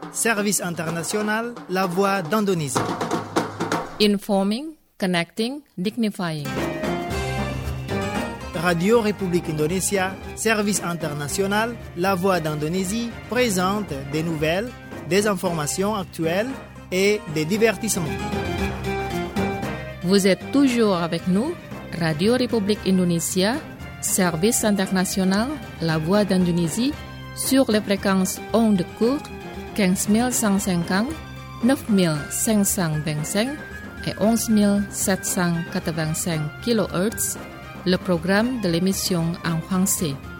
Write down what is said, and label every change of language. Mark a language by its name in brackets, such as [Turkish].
[French] Service international, la voix d'Indonésie. [English] Informing, connecting, dignifying. [French] Radio République Indonésia, service international, la voix d'Indonésie, présente des nouvelles, des informations actuelles et des divertissements. Vous êtes toujours avec nous, Radio République Indonésia, service international, la voix d'Indonésie, sur les fréquences ondes courtes 15150, 9525 et 11785 kHz, le programme de l'émission en français.